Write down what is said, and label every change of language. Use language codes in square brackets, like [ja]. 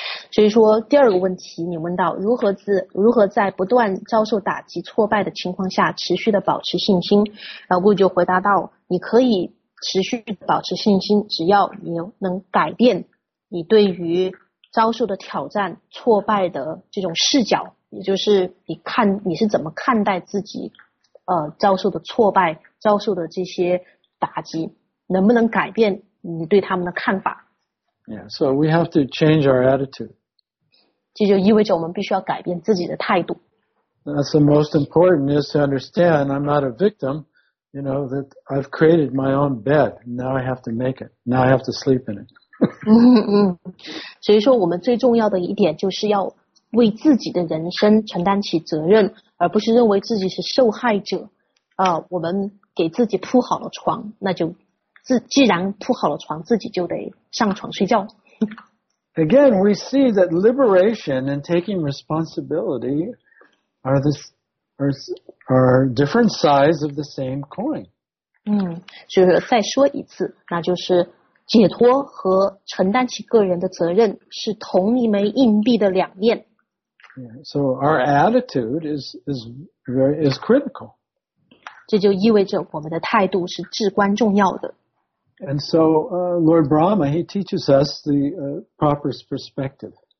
[zh] 所以说第二个问题你问到如何在不断遭受打击挫败的情况下持续的保持信心，然后我就回答到你可以持续保持信心，只要你能改变你对于遭受的挑战挫败的这种视角，也就是你是怎么看待自己遭受的挫败，遭受的这些打击，能不能改变你对他们的看法。 [en] Yeah, so we have to change our attitude. [zh] 这就意味着我们必须要改变自己的态度。 [en] That's the most important is to understand I'm not a victim, you know, that I've created my own bed. Now I have to make it. Now I have to sleep in it. [zh] 所以说我们最重要的一点就是要为自己的人生承担起责任，而不是认为自己是受害者。我们给自己铺好了床，那就既然铺好了床，自己就得上床睡觉。 [en] Again, we see that liberation and taking responsibility are different sides of the same coin. [zh] 就是再说一次，那就是解脱和承担起个人的责任是同一枚硬币的两面。 [en] So our attitude is critical. [zh] 这就意味着我们的态度是至关重要的。 [en] And so, Lord Brahma, he teaches us the proper perspective.